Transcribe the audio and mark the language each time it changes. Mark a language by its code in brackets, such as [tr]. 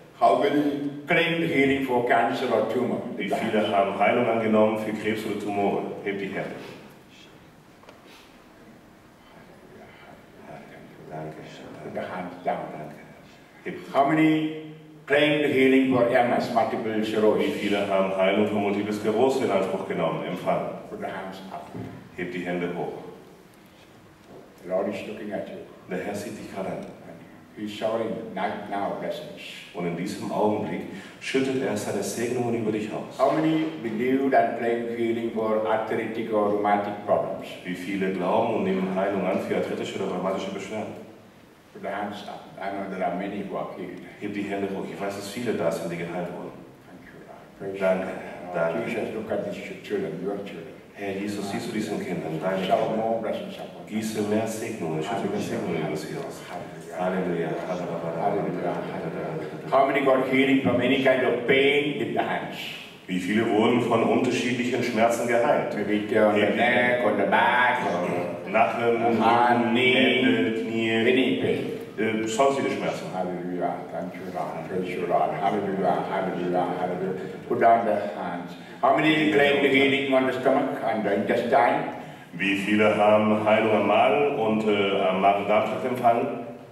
[en] How many claimed healing for cancer or tumor? [de] Wie viele haben Heilung angenommen für Krebs oder Tumore? Hebt die Hände. [en] Danke. Put the hands down. [de] Danke. [en] How many claimed healing for MS, multiple sclerosis? [de] Wie viele haben Heilung für Multiple Sklerose in Anspruch genommen, empfangen? [en] Put the hands up. [de] Hebt die Hände hoch. [en] The Lord is looking at you. [de] Der Herr sieht dich gerade an. [en] He's showering right now blessings. [de] Und in diesem Augenblick schüttet er seine Segnungen über dich aus. [en] How many believed and claimed healing for arthritic or rheumatic problems? Wie viele glauben und nehmen Heilung an für arthritische oder rheumatische Beschwerden? Put the hands up. I know there are many who are healed. [de] Hebt die Hände hoch. Ich weiß, dass viele da sind, die geheilt wurden. [en] Thank you, Lord. Danke. [de] Danke. [en] Jesus, look at these children, your children. [de] Herr Jesus, siehst du diesen Kindern, deine Kinder, gieße mehr Segnungen, schütte mehr Segnungen über sie aus. Halleluja, Halleluja, Halleluja. [en] How many got healing from any kind of pain in the hands? [de] Wie viele wurden von unterschiedlichen Schmerzen geheilt? [en] Maybe on the neck, on the back, [de] Nacken, Hände, Knie, sonstige Schmerzen. [en] Halleluja, thank you, Lord, praise you, Lord, Halleluja, Halleluja, Halleluja. Put down the hands. How many claim the healing on the stomach and the intestine? [de] Wie viele haben Heilung am Magen und am Magen-Darm-Trakt empfangen?